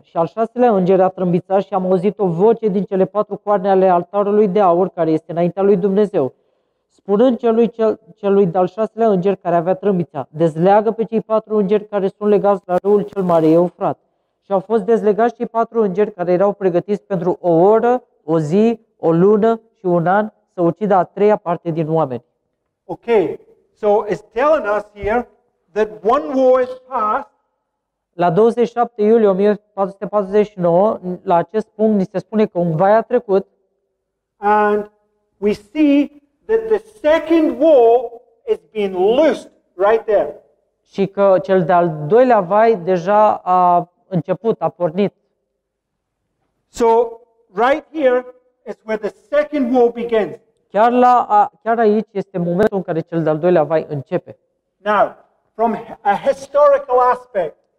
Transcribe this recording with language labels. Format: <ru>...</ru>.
<ro>Și al șaselea înger a trâmbițat și am auzit o voce din cele patru coarne ale altarului de aur care este înaintea lui Dumnezeu, spunând celui de-al șaselea înger care avea trâmbița: dezleagă pe cei patru îngeri care sunt legați la râul cel mare, Eufrat. Și au fost dezlegați cei patru îngeri care erau pregătiți pentru o oră, o zi, o lună și un an să ucidă a treia parte din oameni.</ro> <en>Ok, so it's telling us here that one war is past.</en> <ro>La 27 iulie 1449, la acest punct ni se spune că un vai a trecut.</ro> <en>And we see that the second war is being loosed right there.</en> <ro>Și că cel de-al doilea vai deja a început, a pornit.</ro> <en>So right here is where the second war begins.</en> <ro>Chiar aici este momentul în care cel de-al doilea vai începe.</ro> <en>Now, from a historical aspect.</en>